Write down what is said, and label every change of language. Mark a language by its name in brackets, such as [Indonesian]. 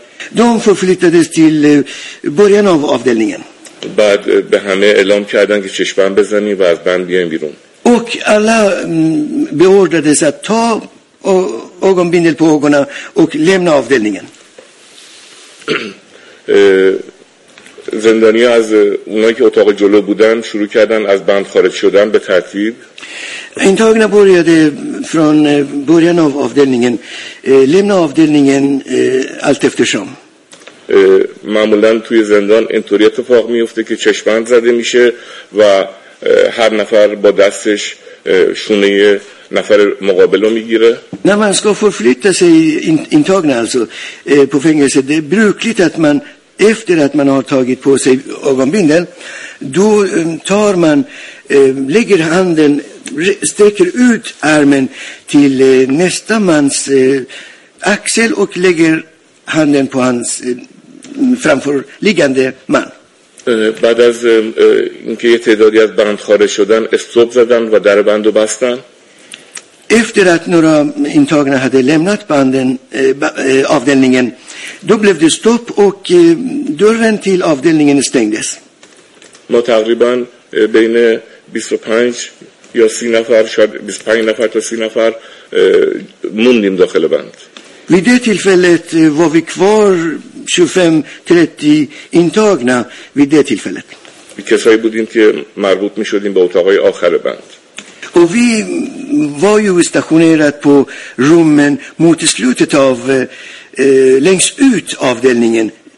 [Swedish] De förflyttades till början av avdelningen. [Persian] بعد به همه اعلام کردن که چشمان بزنیم و از بند بیایم بیرون. [Swedish] Och alla beordrades att ta ögonbindel på ögonen och lämna avdelningen. [Persian] زندانی از اونایی که اتاق جلو بودن شروع کردن از بند خارج شدن به ترتیب. [Swedish] Intagna började från början av avdelningen lämna avdelningen allt eftersom. [Persian] معمولا توی زندان اینطوری اتفاق میفته که چشمان زده میشه و هر نفر با دستش شونه نفر مقابل رو میگیره. نه من [Swedish] ska förflytta sig intagna alltså på fängelse. Det är brukligt att man efter att man har tagit på sig ögonbindel då tar man lägger handen sträcker ut armen till nästa mans axel och lägger handen på hans framförliggande man. [Persian] بعد از اینکه یه تعدادی از بند خارج شدن استوب زدن و در بندو بستن. [Swedish] Efter att några intagna hade lämnat banden avdelningen, då blev det stopp och dörren till avdelningen stängdes. [Persian] ما تقریبا بین 25 یا 30 نفر شاید 25 نفر تا 30 نفر موندیم داخل بند. [Swedish] Vid det tillfället var vi kvar 25-30 intagna vid det tillfället. [Persian] کسایی بودیم که مربوط می‌شدیم به اتاق‌های آخر بند. [Swedish] Och vi var ju stationerat på rummen mot slutet av längst ut avdelningen.